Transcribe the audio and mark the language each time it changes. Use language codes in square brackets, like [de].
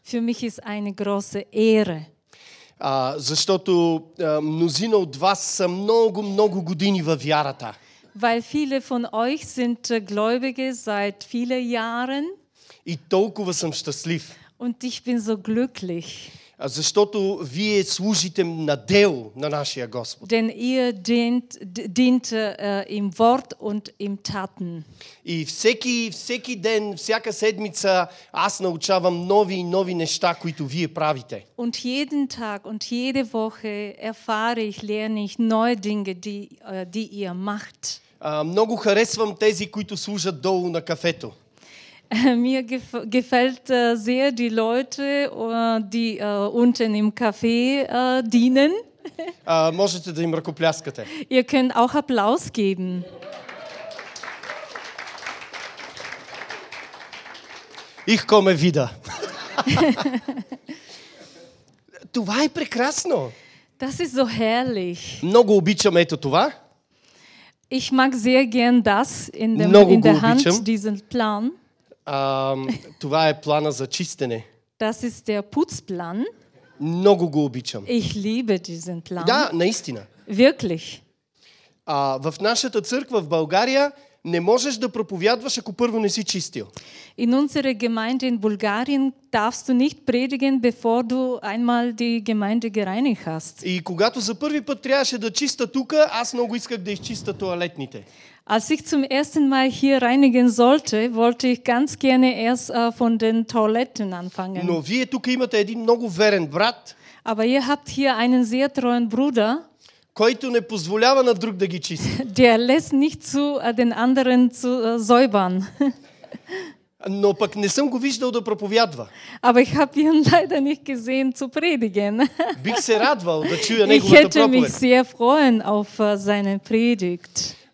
[de] Für mich ist eine große Ehre. [bg] Защото мнозина от вас са много години във вярата. [de] Weil viele von euch sind Gläubige seit vielen Jahren. [bg] И толкова съм щастлив. [de] Und ich bin so glücklich. [bg] Защото вие служите на дел на нашия Господ. [de] Denn ihr dient im Wort und im Taten. [bg] И всеки ден, всяка седмица аз научавам нови и нови неща, които вие правите. [de] Und jeden Tag und jede Woche erfahre ich, lerne ich neue Dinge, die ihr macht. [bg] Много харесвам тези, които служат долу на кафето. [de] Mir gefällt sehr die Leute, die unten im Café dienen. [bg] Можете да им ръкопляскате. [de] Ihr könnt auch Applaus geben. Ich komme wieder. [bg] Това е прекрасно. [de] Das ist so herrlich. [bg] Много обичам ето това. [de] Ich mag sehr gern das in der Hand, diesen Plan. [bg] Това е плана за чистене. [de] Das ist der Putzplan. [bg] Много го обичам. [de] Ich liebe diesen Plan. [bg] Да, наистина. [de] Wirklich. [bg] В нашата църква в България не можеш да проповядваш, ако първо не си чистил. [de] In unserer Gemeinde in Bulgarien darfst du nicht predigen, bevor du einmal die Gemeinde gereinigt hast. [bg] И когато за първи път трябваше да чиста тука, аз много исках да изчиста тоалетните. [de] Als ich zum ersten Mal hier reinigen sollte, wollte ich ganz gerne erst von den Toiletten anfangen. [bg] Но вие тук имате един много верен брат. [de] Aber ihr habt hier einen sehr treuen Bruder. [bg] Който не позволява на друг да ги чисти. [de] Der lässt nicht zu den anderen zu säubern. [bg] Но пък не съм го виждал да проповядва. [de] Aber ich habe ihn leider nicht gesehen zu predigen. [bg] Бих се радвал да чуя неговата проповед. [de] Ich hätte mich sehr freuen auf seine Predigt.